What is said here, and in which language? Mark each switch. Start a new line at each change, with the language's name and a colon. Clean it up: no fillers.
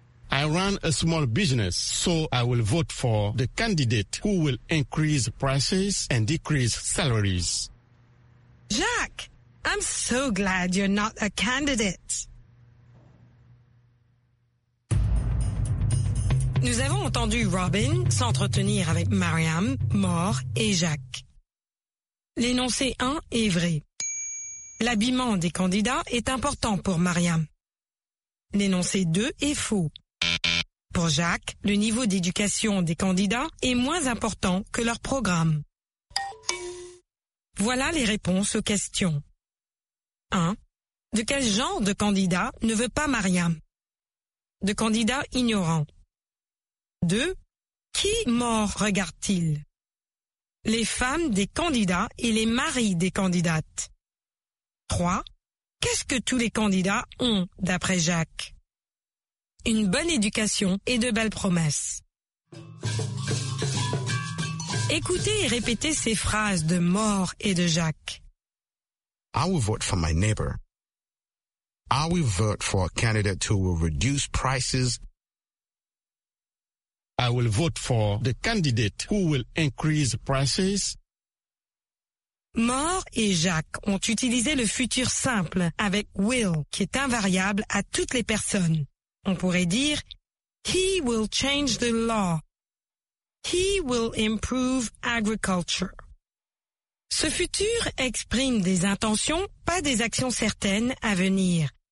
English: I run a small business, so I will vote for the candidate who will increase prices and decrease salaries. Jacques, I'm so glad you're not a candidate.
French: Nous avons entendu Robin s'entretenir avec Mariam, Maure et Jacques. L'énoncé 1 est vrai. L'habillement des candidats est important pour Mariam. L'énoncé 2 est faux. Pour Jacques, le niveau d'éducation des candidats est moins important que leur programme. Voilà les réponses aux questions. 1. De quel genre de candidat ne veut pas Mariam? De candidat ignorant. 2. Qui Maure regarde-t-il? Les femmes des candidats et les maris des candidates. 3. Qu'est-ce que tous les candidats ont, d'après Jacques? Une bonne éducation et de belles promesses. Écoutez et répétez ces phrases de Maure et de Jacques.
English: I will vote for my neighbor. I will vote for a candidate who will reduce prices. I will vote for the candidate who will increase prices.
French: Maure et Jacques ont utilisé le futur simple avec will, qui est invariable à toutes les personnes. On pourrait dire,
English: he will change the law. He will improve agriculture.
French: Ce futur exprime des intentions, pas des actions certaines à venir.